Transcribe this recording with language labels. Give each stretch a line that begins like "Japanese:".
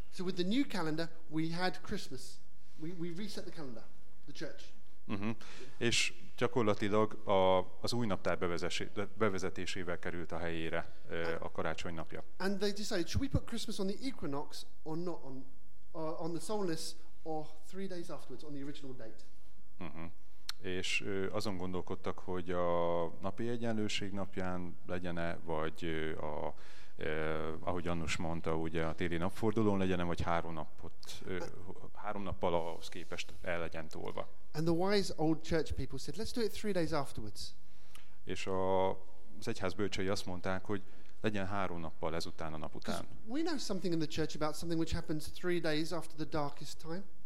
English: So with the new calendar, we had Christmas. We reset the calendar, the church. Uh-huh.
Hungarian: És gyakorlatilag az új naptár bevezetésével került a helyére a karácsony napja.
English: And they decided, should we put Christmas on the equinox or not on the solstice or 3 days afterwards on the original date? Uh-huh.
Hungarian: És azon gondolkodtak, hogy a napi egyenlőség napján legyen-e, vagy ahogy Annus mondta, ugye a téli napfordulón legyen-e, vagy három nappal ahhoz képest el legyen tolva.
English: And the wise old church people said, let's do it 3 days afterwards.
Hungarian: És az egyház bölcsei azt mondták, hogy legyen 3 nappal ezután a nap után.
English: We know something in the church about something which happens 3 days after the darkest time.